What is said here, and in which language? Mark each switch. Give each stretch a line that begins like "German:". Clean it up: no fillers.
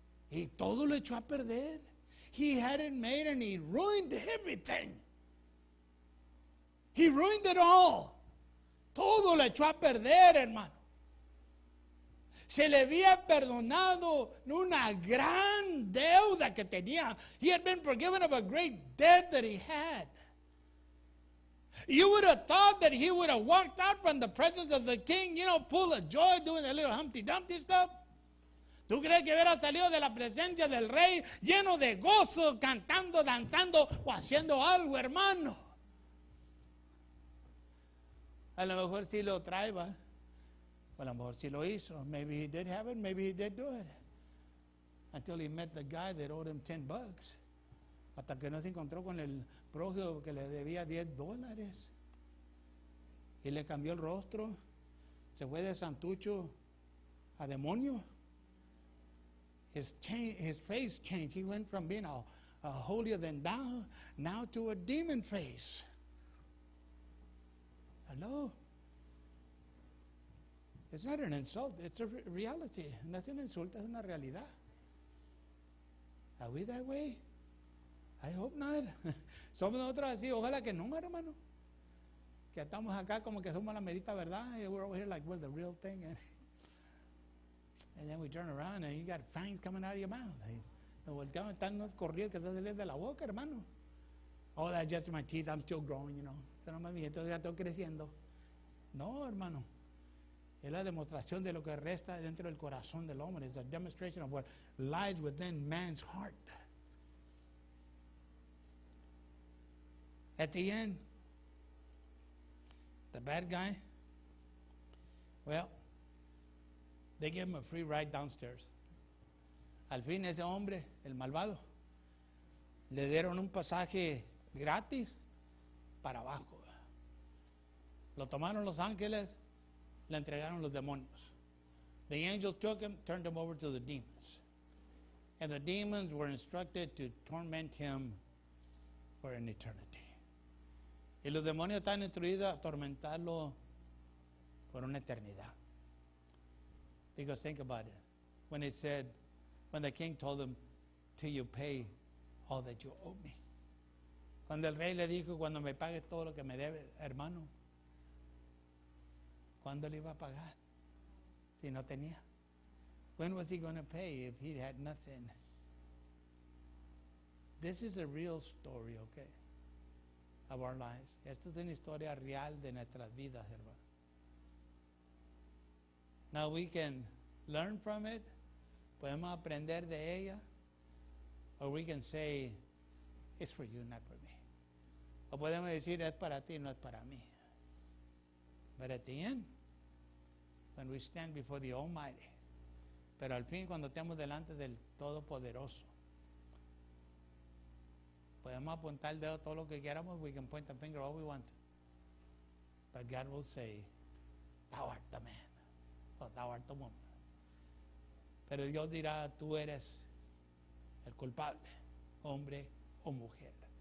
Spanish: Y todo lo echó a perder.
English: He had it made and he ruined everything. He ruined it all.
Spanish: Todo lo echó a perder, hermano. Se le había perdonado una gran deuda que tenía.
English: He had been forgiven of a great debt that he had. You would have thought that he would have walked out from the presence of the king, you know, full of joy, doing the little Humpty Dumpty stuff.
Spanish: ¿Tú crees que hubiera salido de la presencia del rey lleno de gozo, cantando, danzando o haciendo algo, hermano? A lo mejor sí lo trae, va. A lo mejor sí lo hizo.
English: Maybe he did have it, maybe he did do it. Until he met the guy that owed him 10 bucks.
Spanish: Hasta que no se encontró con el prójimo que le debía 10 dólares. Y le cambió el rostro. Se fue de santucho a demonio.
English: His face changed. He went from being a holier than thou now to a demon face. Hello? It's not an insult. It's a reality.
Spanish: No es un insulto, es una realidad.
English: Are we that way? I hope not.
Spanish: Somos nosotros así, ojalá que no, hermano. Que estamos acá como que somos la merita verdad.
English: We're over here like we're the real thing. And then we turn around and you got fangs coming out of your mouth.
Spanish: Nos volteamos, están corridos que están saliendo de la boca, hermano.
English: Oh, that's just my teeth. I'm still growing, you know.
Spanish: Eso no me dije, entonces ya estoy creciendo. No, hermano. Es la demostración de lo que resta dentro del corazón del hombre.
English: It's a demonstration of what lies within man's heart. At the end, the bad guy, well, they gave him a free ride downstairs.
Spanish: Al fin, ese hombre, el malvado, le dieron un pasaje gratis para abajo. Lo tomaron los ángeles, le entregaron los demonios.
English: The angels took him, turned him over to the demons. And the demons were instructed to torment him for an eternity.
Spanish: Y los demonios están instruidos a atormentarlo por una eternidad.
English: Because think about it. When it said, when the king told him, till you pay all that you owe me.
Spanish: Cuando el rey le dijo, cuando me pagues todo lo que me debes, hermano. ¿Cuándo le iba a pagar? Si no tenía.
English: When was he going to pay if he had nothing? This is a real story, okay? Of our lives.
Spanish: Esta es una historia real de nuestras vidas, hermano.
English: Now we can learn from it.
Spanish: Podemos aprender de ella.
English: Or we can say, it's for you, not for me.
Spanish: O podemos decir, es para ti, no es para mí.
English: But at the end, when we stand before the Almighty,
Spanish: pero al fin cuando estemos delante del Todopoderoso, podemos apuntar el dedo todo lo que queramos,
English: we can point the finger all we want. But God will say, thou art the man, or thou art the woman.
Spanish: Pero Dios dirá, tú eres el culpable, hombre o mujer.